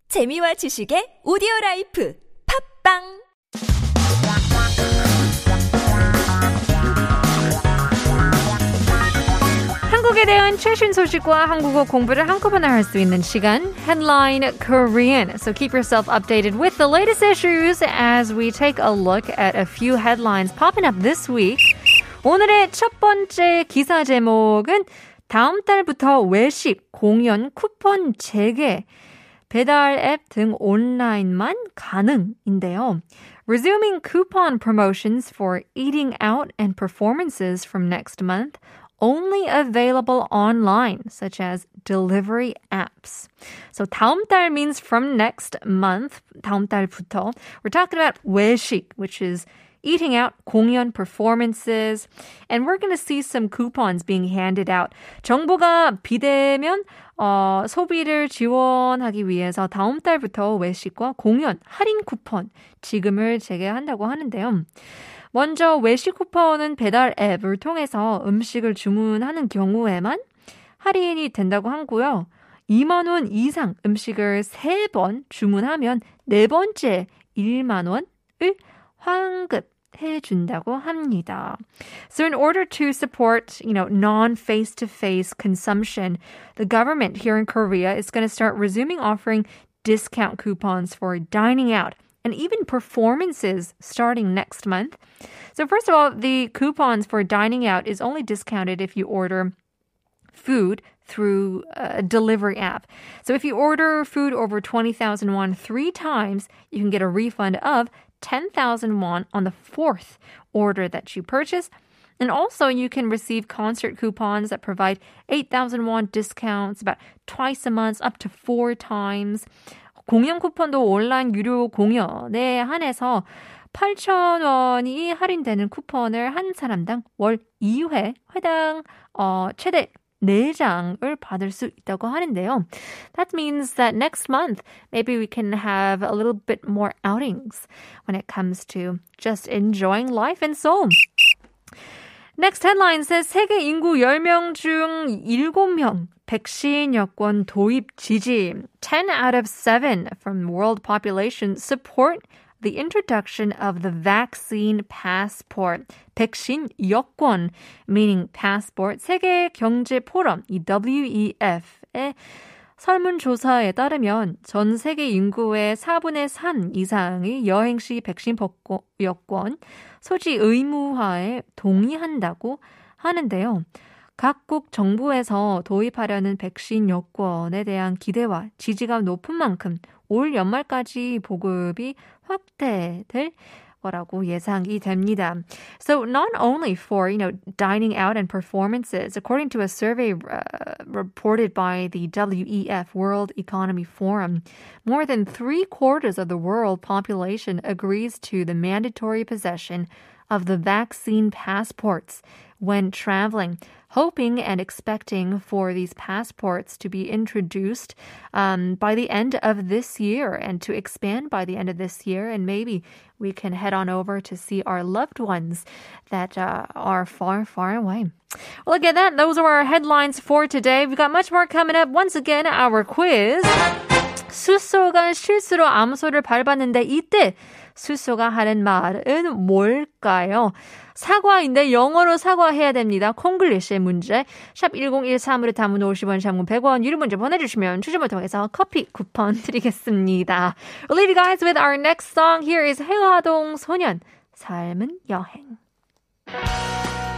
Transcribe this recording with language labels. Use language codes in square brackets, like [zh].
[ko] 재미와 지식의 오디오라이프 팝빵 한국에 대한 최신 소식과 한국어 공부를 한꺼번에 할 수 있는 시간 [en] Headline Korean So keep yourself updated with the latest issues as we take a look at a few headlines popping up this week [ko] 오늘의 첫 번째 기사 제목은 다음 달부터 외식, 공연, 쿠폰 재개 배달 앱 등 온라인만 가능인데요. [en] Resuming coupon promotions for eating out and performances from next month, only available online, such as delivery apps. So 다음 달 means from next month, [ko] 다음 달부터. [en] We're talking about 외식, which is eating out, 공연, performances, and we're going to see some coupons being handed out. [ko] 정부가 비대면 소비를 지원하기 위해서 다음 달부터 외식과 공연 할인 쿠폰 지금을 재개한다고 하는데요. 먼저 외식 쿠폰은 배달 앱을 통해서 음식을 주문하는 경우에만 할인이 된다고 하고요. 2만 원 이상 음식을 3번 주문하면 네 번째 1만 원을 환급 해준다고 합니다. [en] So in order to support, you know, non-face-to-face consumption, the government here in Korea is going to start resuming offering discount coupons for dining out and even performances starting next month. So first of all, the coupons for dining out is only discounted if you order food through a delivery app. So if you order food over 20,000 won three times, you can get a refund of 10,000 won on the fourth order that you purchase. And also you can receive concert coupons that provide 8,000 won discounts about twice a month, up to four times. [ko] 공연 쿠폰도 온라인 유료 공연에 한해서 8,000 원이 할인되는 쿠폰을 한 사람당 월 2회 해당 최대 4장을 받을 수 있다고 하는데요. [en] That means that next month, maybe we can have a little bit more outings when it comes to just enjoying life in Seoul. Next headline says, [ko] 세계 인구 10명 중 7명 백신 여권 도입 지지. [en] 10 out of 7 from world population support the introduction of the vaccine passport, [ko] 백신 여권, [en] meaning passport, [ko] 세계 경제 포럼, 이 WEF의 설문조사에 따르면 전 세계 인구의 4분의 3 이상이 여행 시 백신 여권 소지 의무화에 동의한다고 하는데요. 각국 정부에서 도입하려는 백신 여권에 대한 기대와 지지가 높은 만큼 올 연말까지 보급이 확대될 거라고 예상이 됩니다. [en] So not only for, you know, dining out and performances, according to a survey reported by the WEF, World Economy Forum, more than three quarters of the world population agrees to the mandatory possession of the vaccine passports when traveling. Hoping and expecting for these passports to be introduced by the end of this year and to expand by the end of this year. And maybe we can head on over to see our loved ones that are far, far away. Well, again, those are our headlines for today. We've got much more coming up. Once again, our quiz. [ko] 수소가 실수로 암소를 밟았는데 이때 수소가 하는 말은 뭘까요? 사과인데 영어로 사과해야 됩니다. 콩글리시의 문제. 샵 1013으로 담은 50원, 샵은 100원. 유료 문제 보내주시면 추첨을 통해서 커피 쿠폰 드리겠습니다. [en] We'll leave you guys with our next song. Here is 해화동 소년, 삶은 여행.